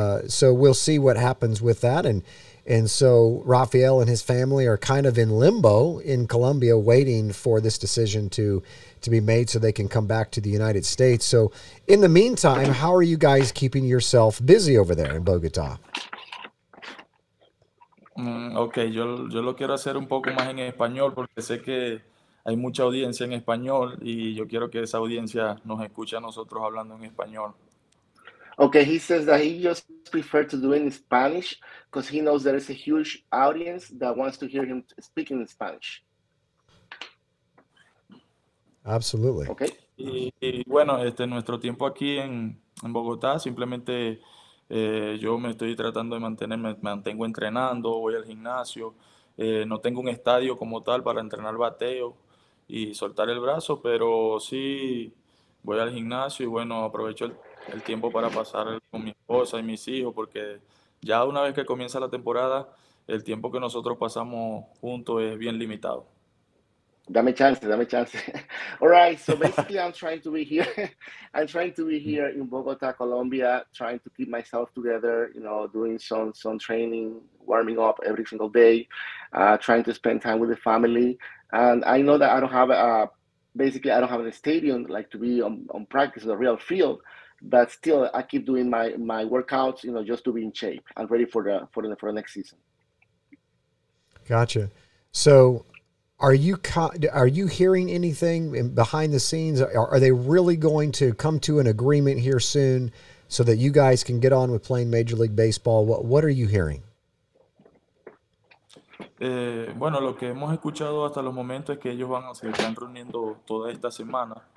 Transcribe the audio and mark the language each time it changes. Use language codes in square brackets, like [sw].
[en] So we'll see what happens with that. And so Rafael and his family are kind of in limbo in Colombia waiting for this decision to be made so they can come back to the United States. So in the meantime, how are you guys keeping yourself busy over there in Bogota? [es] Okay, yo lo quiero hacer un poco más en español porque sé que hay mucha audiencia en español y yo quiero que esa audiencia nos escuche a nosotros hablando en español. [en] Okay, he says that he just prefers to do it in Spanish because he knows there is a huge audience that wants to hear him speaking in Spanish. Absolutely. Okay. [es] Y bueno, nuestro tiempo aquí en Bogotá simplemente... yo me estoy tratando de mantenerme, me mantengo entrenando, voy al gimnasio. No tengo un estadio como tal para entrenar bateo y soltar el brazo, pero sí voy al gimnasio y bueno, aprovecho el tiempo para pasar con mi esposa y mis hijos, porque ya una vez que comienza la temporada, el tiempo que nosotros pasamos juntos es bien limitado. Dame chance, dame chance. [en] All right, so basically I'm trying to be here in Bogota, Colombia, trying to keep myself together, you know, doing some training, warming up every single day, trying to spend time with the family. And I know that I don't have a stadium like to be on practice in the real field, but still I keep doing my workouts, you know, just to be in shape and ready for the next season. Gotcha. So Are you hearing anything behind the scenes? Are they really going to come to an agreement here soon so that you guys can get on with playing Major League Baseball? What are you hearing? [es] Bueno, lo que hemos escuchado hasta los momentos es que ellos van a se están reuniendo toda esta semana.